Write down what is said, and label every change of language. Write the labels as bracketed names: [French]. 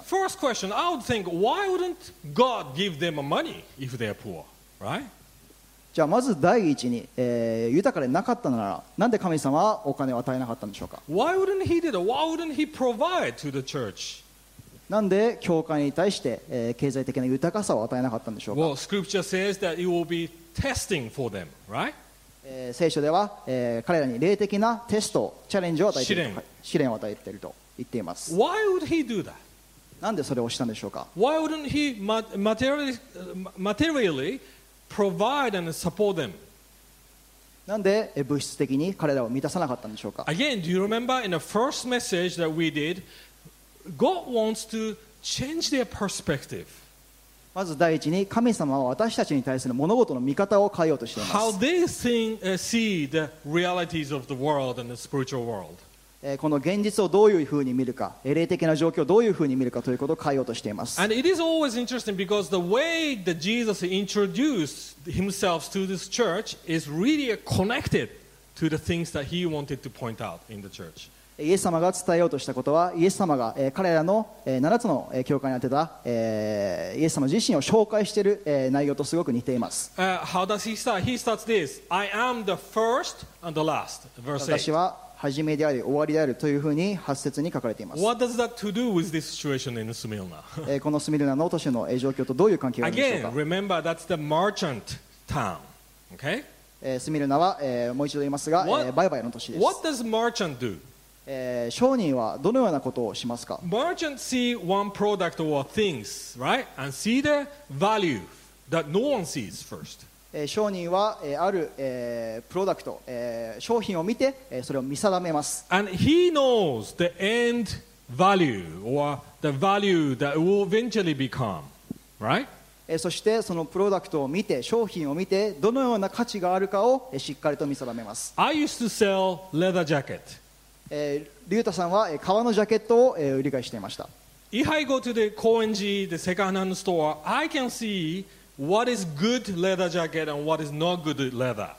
[English] First question, I would think, why wouldn't God give them money if they are poor, right? [Japanese] じゃあまず第一に、豊かでなかったならなんで神様はお金を与えなかったんでしょうか。 [English] Why wouldn't he do that? Why wouldn't he provide to the church? [Japanese] なんで教会に対して、経済的な豊かさを与えなかったんでしょうか。 [English] Well, scripture says that it will be testing for them, right? [Japanese] 聖書では、彼らに霊的なテスト、チャレンジを与えている、試練を与えていると言っています。 [English] Why would he do that? [Japanese] なんでそれをしたんでしょうか。 [English] Why wouldn't he materially provide and support them? [Japanese] なんで物質的に彼らを満たさなかったんでしょうか。 [English] Again, do you remember in the first message that we did,God wants to change their perspective. [Japanese] まず第一に神様は私たちに対する物事の見方を変えようとしています。 [English] How they think, see the realities of the world and the spiritual world. [Japanese] この現実をどういうふうに見るか、霊的な状況をどういうふうに見るかということを変えようとしています。 [English] And it is always interesting because the way that Jesus introduced himself to this church is really connected to the things that he wanted to point out in the church. [Japanese] イエス様が伝えようとしたことはイエス様が彼らの7つの教会に当てたイエス様自身を紹介している内容とすごく似ています。 [English] How does he start? He starts this. I am the first and the last. Verse 8. [Japanese] 私は始めであり終わりであるというふうに8節に書かれています。 [English] What does that to do with this situation in Smyrna? [Japanese] このスミルナの都市の状況とどういう関係があるでしょうか。 [English] Again, remember that's the merchant town. Okay? [Japanese] スミルナはもう一度言いますが売買の都市です。 [English] What does merchant do? [Japanese] 商人はどのようなことをしますか。 [English] Merchant see one product or things, right? And see the value that no one sees first. [Japanese] 商人はある、プロダクト、商品を見て、それを見定めます。 [English] And he knows the end value or the value that it will eventually become, right? [Japanese] そしてそのプロダクトを見て商品を見てどのような価値があるかをしっかりと見定めます。 [English] I used to sell leather jacket. [Japanese] リュウタさんは革のジャケットを売り買いしていました。 [English] If I go to the Koenji, the second hand store, I can see what is good leather jacket and what is not good leather.